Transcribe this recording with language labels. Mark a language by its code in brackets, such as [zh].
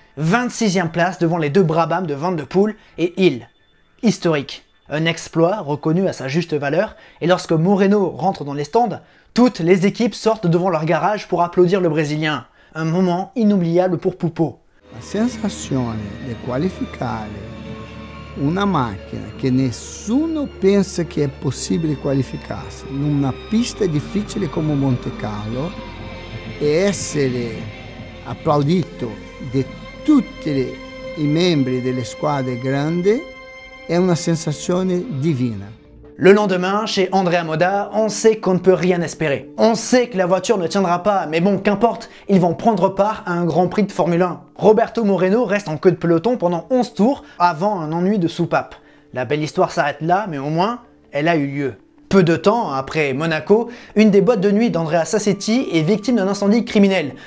[fr] 26e place devant les deux Brabham de Van de Poel et Hill. Historique. Un exploit reconnu à sa juste valeur, et lorsque Moreno rentre dans les stands, toutes les équipes sortent devant leur garage pour applaudir le Brésilien. Un moment inoubliable pour Pupo. La sensation de qualifier. [it] Una macchina che nessuno pensa che è possibile qualificarsi in una pista difficile come Monte Carlo e essere applaudito da tutti i membri delle squadre grandi è una sensazione divina. [fr] Le lendemain, chez Andrea Moda, on sait qu'on ne peut rien espérer. On sait que la voiture ne tiendra pas, mais bon, qu'importe, ils vont prendre part à un Grand Prix de Formule 1. Roberto Moreno reste en queue de peloton pendant 11 tours avant un ennui de soupape. La belle histoire s'arrête là, mais au moins, elle a eu lieu. Peu de temps après Monaco, une des boîtes de nuit d'Andrea Sassetti est victime d'un incendie criminel.